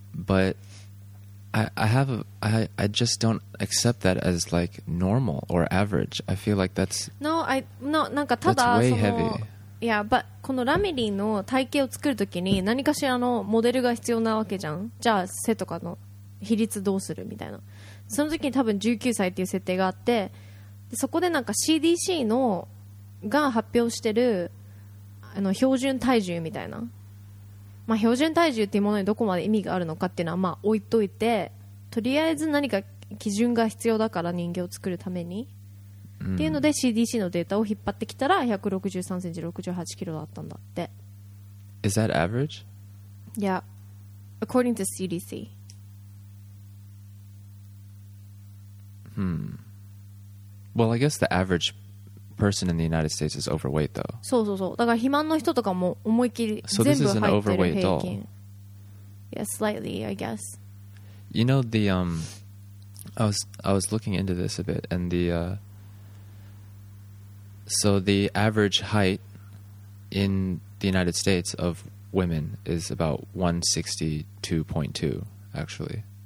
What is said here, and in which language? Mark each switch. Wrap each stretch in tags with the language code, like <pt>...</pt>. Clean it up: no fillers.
<en>But I just don't accept that as like normal or average. I feel like that's. No, I no. なんかただ that's way heavy.</en> <ja>いや、but、このラミリーの体型を作るときに何かしらのモデルが必要なわけじゃん。じゃあ背とかの比率どうするみたいな。その時に多分19歳っていう設定があって、でそこでなんか CDC のが発表してるあの標準体重みたいな、まあ、標準体重っていうものにどこまで意味があるのかっていうのはまあ置いといて、とりあえず何か基準が必要だから人形を作るためにっていうので CDC のデータを引っ張ってきたら163センチ68キロだったんだって。</ja> <en>Is that average? Yeah, according to CDC. Well, I guess the average person in the United States is overweight though.</en> <ja>そうそうそう、だから肥満の人とかも思いっきり全部入ってる平均。</ja> <en>So this is an overweight doll. Yeah, slightly, I guess. You know the I was looking into this a bit and the So the average height in the United States of women is about 162.2, actually.</en>